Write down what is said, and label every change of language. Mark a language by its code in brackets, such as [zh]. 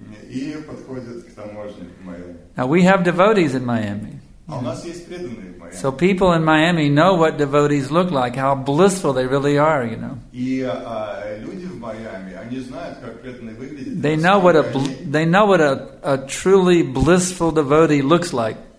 [ru] И подходит к таможне в Майами. [en] Now we have devotees in Miami. [ru] А у нас есть преданные в Майами. [en] So people in Miami know what devotees look like, how blissful they really are, you know. [ru] И люди в Майами, они знают, как преданные выглядят. [en] They know what a truly blissful devotee looks like.